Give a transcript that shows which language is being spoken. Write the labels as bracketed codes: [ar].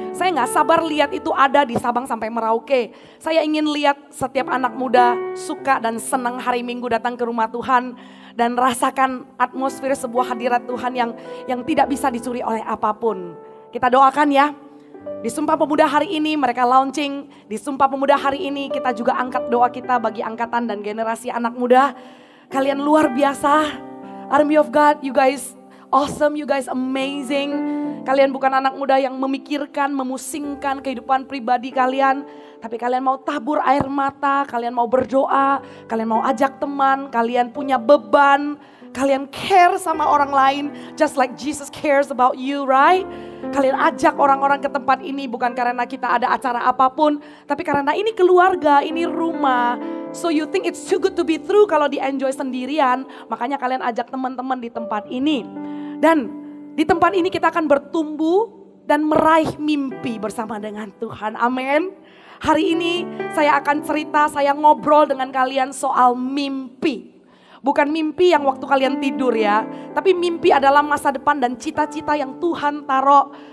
[id] Saya gak sabar lihat itu ada di Sabang sampai Merauke. Saya ingin lihat setiap anak muda suka dan senang hari Minggu datang ke rumah Tuhan. Dan rasakan atmosfer sebuah hadirat Tuhan yang tidak bisa dicuri oleh apapun. Kita doakan ya. Di Sumpah Pemuda hari ini mereka launching. Di Sumpah Pemuda hari ini kita juga angkat doa kita bagi angkatan dan generasi anak muda. Kalian luar biasa. [en] Army of God, you guys awesome, you guys amazing. [id] Kalian bukan anak muda yang memikirkan, memusingkan kehidupan pribadi kalian. Tapi kalian mau tabur air mata, kalian mau berdoa, kalian mau ajak teman, kalian punya beban. Kalian care sama orang lain, [en] just like Jesus cares about you, right? [id] Kalian ajak orang-orang ke tempat ini bukan karena kita ada acara apapun. Tapi karena ini keluarga, ini rumah. [en] So you think it's too good to be true [id] kalau di enjoy sendirian. Makanya kalian ajak teman-teman di tempat ini. Dan di tempat ini kita akan bertumbuh dan meraih mimpi bersama dengan Tuhan. Amin. Hari ini saya akan cerita, saya ngobrol dengan kalian soal mimpi. Bukan mimpi yang waktu kalian tidur ya. Tapi mimpi adalah masa depan dan cita-cita yang Tuhan taruh.